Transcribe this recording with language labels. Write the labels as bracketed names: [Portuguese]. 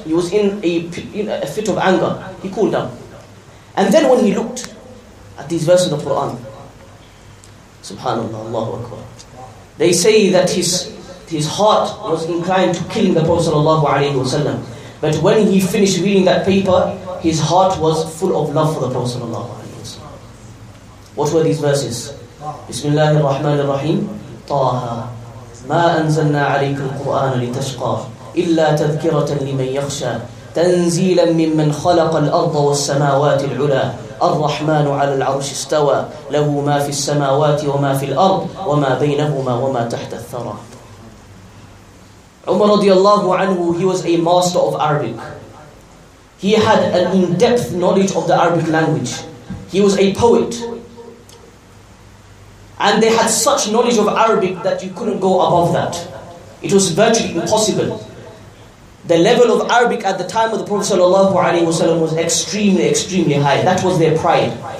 [English] He was in a fit of anger. He cooled down. And then when he looked at these verses of the Quran, subhanAllah, Allahu Akbar, they say that his heart was inclined to killing the Prophet sallallahu alayhi wa sallam. But when he finished reading that paper, his heart was full of love for the Prophet sallallahu alayhi wa sallam. What were these verses? Bismillahir Rahmanir Rahim, Taha. [Arabic] ما أنزلنا عليك القرآن لتشقى إلا تذكرة لمن يخشى تنزيلا ممن خلق الأرض والسماوات العلى الرحمن على العرش استوى له ما في السماوات وما في الأرض وما بينهما وما تحت الثرى. [English] Umar radiallahu anhu, he was a master of Arabic. He had an in-depth knowledge of the Arabic language. He was a poet. And they had such knowledge of Arabic that you couldn't go above that. It was virtually impossible. The level of Arabic at the time of the Prophet sallallahu alaihi wasallam was extremely, extremely high. That was their pride.